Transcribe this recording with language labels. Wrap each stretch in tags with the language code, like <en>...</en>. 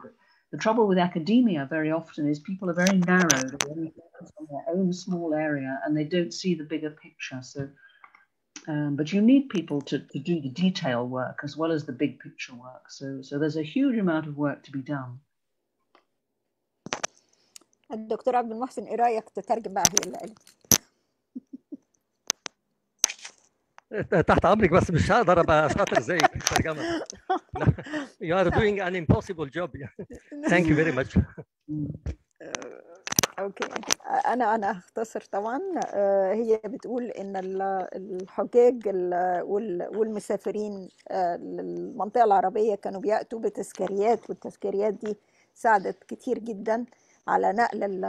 <en>But the trouble with academia very often is people are very narrow, they only focus on their own small area and they don't see the bigger picture. So, but you need people to do the detail work as well as the big picture work. So there's a huge amount of work to be done.</en> <ar>الدكتور عبد المحسن ايه رايك تترجم بقى هي اللي تحت امرك بس مش هقدر ابقى شاطر زي الترجمه</ar> <en>you are doing an impossible job thank you very much</en> <ar>اوكي انا اختصر طبعا هي بتقول ان الحجاج والمسافرين للمنطقه العربيه كانوا بياتوا بتذكاريات والتذكاريات دي ساعدت كتير جدا على نقل</ar>